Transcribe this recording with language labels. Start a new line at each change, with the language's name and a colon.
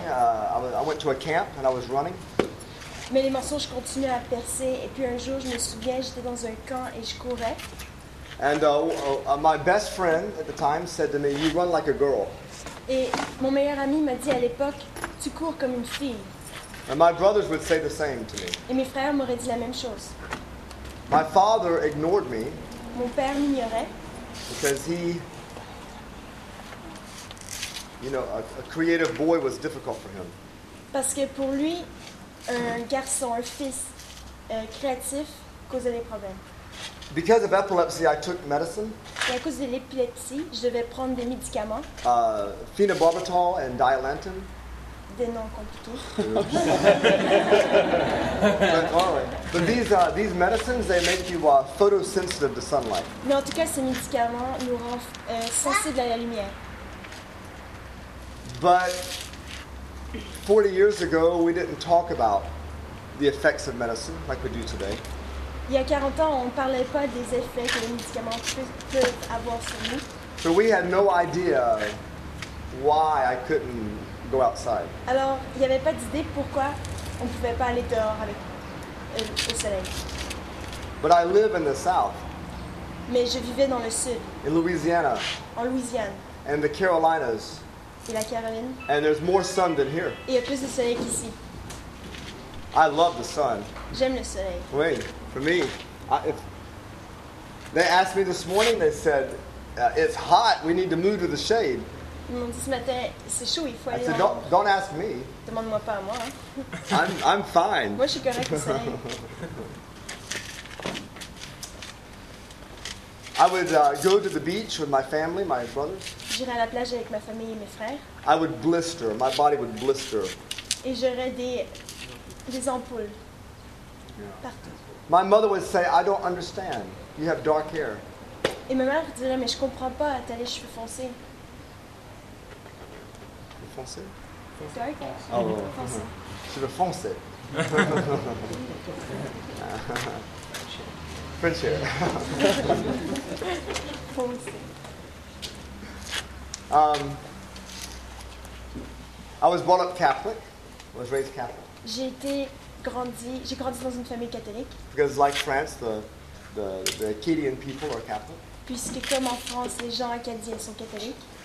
English: I went to a camp and I was running.
French: Mais les mensonges continuaient à percer. Et puis un jour, je me souviens, j'étais dans un camp et je courais.
English: And my best friend at the time said to me, "You run like a girl."
French: Et mon meilleur ami m'a dit à l'époque, tu cours comme une fille.
English: And my brothers would say the same to me.
French: Et mes frères m'auraient dit la même chose.
English: My father ignored me.
French: Mon père m'ignorait.
English: Because he, you know, a creative boy was difficult for him.
French: Parce que pour lui, un garçon, un fils créatif causait des problèmes.
English: Because of epilepsy, I took medicine.
French: Et à cause de l'épilepsie, je devais prendre des médicaments.
English: Phenobarbital and Dilantin.
French: Des noms compliqués.
English: But these medicines, they make you photosensitive to sunlight.
French: Mais en tout cas, ces médicaments nous rendent sensibles à la lumière.
English: But 40 years ago, we didn't talk about the effects of medicine like we do today.
French: Il y a 40 ans, on ne parlait pas des effets que les médicaments peuvent avoir sur nous.
English: So we had no idea why I couldn't go outside.
French: Alors, il n'y avait pas d'idée pourquoi on ne pouvait pas aller dehors avec au soleil.
English: But I live in the south.
French: Mais je vivais dans le sud.
English: In Louisiana.
French: En Louisiane.
English: And the Carolinas.
French: Et la Caroline.
English: And there's more sun than here.
French: Et il y a plus de soleil qu'ici.
English: I love the sun.
French: J'aime le soleil. Oui.
English: For me, if they asked me this morning, they said, "It's hot. We need to move to the shade."
French: Ce matin, c'est chaud. Il faut aller.
English: I said, don't ask me.
French: Demande-moi pas à moi.
English: I'm fine.
French: Moi, je suis correct.
English: I would go to the beach with my family, my brothers.
French: J'irai à la plage avec ma famille et mes frères.
English: I would blister. My body would blister.
French: Et j'aurais des ampoules partout.
English: My mother would say, "I don't understand. You have dark hair."
French: Et ma mère dirait, mais je comprends pas. T'as les cheveux foncés. Foncés?
English: Dark.
French: Oh, foncés. Cheveux foncés.
English: French hair.
French: Foncés.
English: I was brought up Catholic. I was raised Catholic.
French: J'ai grandi dans une famille catholique.
English: Because like France, the Acadian people are Catholic.
French: Puisque comme en France, les gens acadiens sont catholiques.